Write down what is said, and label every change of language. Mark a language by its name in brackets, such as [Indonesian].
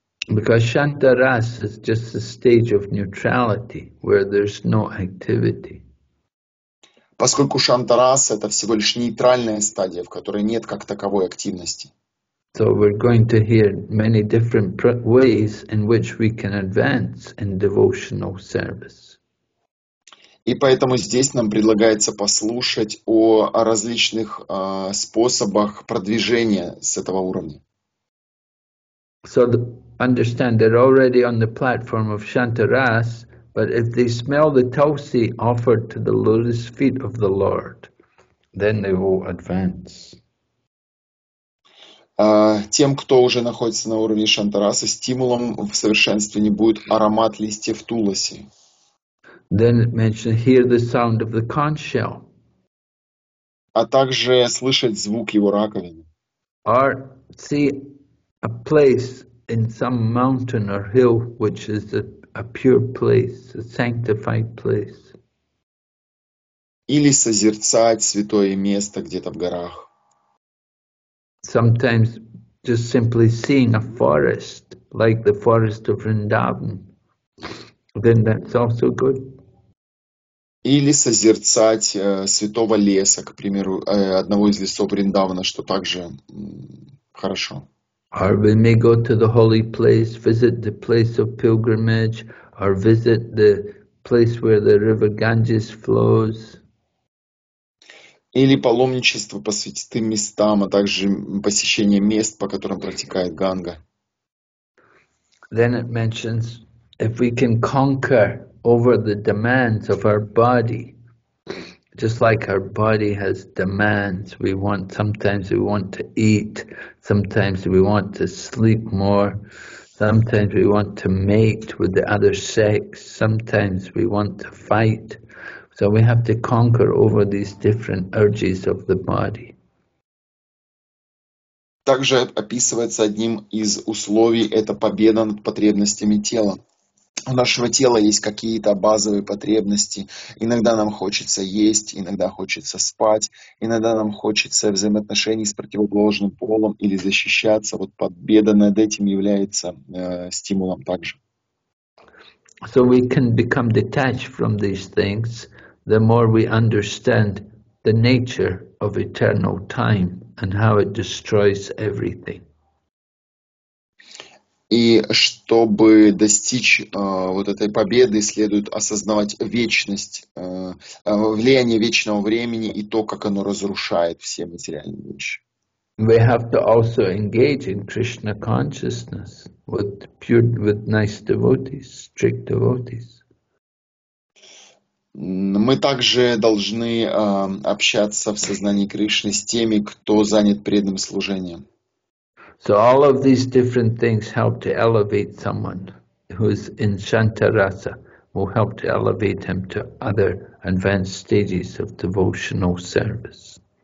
[English] Because Shantaras is just a stage of neutrality where there's no activity. [Russian] Поскольку Шантарас — это всего лишь нейтральная стадия, в которой нет как таковой активности. [English] So we're going to hear many different ways in which we can advance in devotional service. [Russian] И поэтому здесь нам предлагается послушать о различных способах продвижения с этого уровня. [English] So understand they're already on the platform of Shantaras, but if they smell the tulsi offered to the lotus feet of the Lord, then they will advance. [Russian] Тем, кто уже находится на уровне Шантараса, стимулом в совершенствовании будет аромат листьев туласи. [English] Then it mentions hear the sound of the conch shell. [Russian] А также слышать звук его раковины. [English] Or see a place in some mountain or hill which is a pure place, a sanctified place. [Russian] Или созерцать святое место где-то в горах. [English] Sometimes just simply seeing a forest, like the forest of Vrindavan, then that's also good. [Russian] Или созерцать святого леса, к примеру, одного из лесов Вриндавана, что также хорошо. [English] Or we may go to the holy place, visit the place of pilgrimage, or visit the place where the river Ganges flows. [Russian] Или паломничество по святым местам, а также посещение мест, по которым протекает Ганга. [English] Then it mentions, if we can conquer over the demands of our body, just like our body has demands, we want, sometimes we want to eat, sometimes we want to sleep more, sometimes we want to mate with the other sex, sometimes we want to fight. So we have to conquer over these different urges of the body. [Russian] Также описывается одним из условий это победа над потребностями тела. У нашего тела есть какие-то базовые потребности. Иногда нам хочется есть, иногда хочется спать, иногда нам хочется взаимоотношений с противоположным полом или защищаться. Вот победа над этим является стимулом также. [English] So we can become detached from these things the more we understand the nature of eternal time and how it destroys everything. [Russian] И чтобы достичь вот этой победы, следует осознавать вечность, влияние вечного времени и то, как оно разрушает все материальные вещи. [English] We have to also engage in Krishna consciousness with pure, with nice devotees, strict devotees. [Russian] Мы также должны общаться в сознании Кришны с теми, кто занят преданным служением. [English] So all of these different things help to elevate someone who is in Shantarasa, will help to elevate him to other advanced stages of devotional service.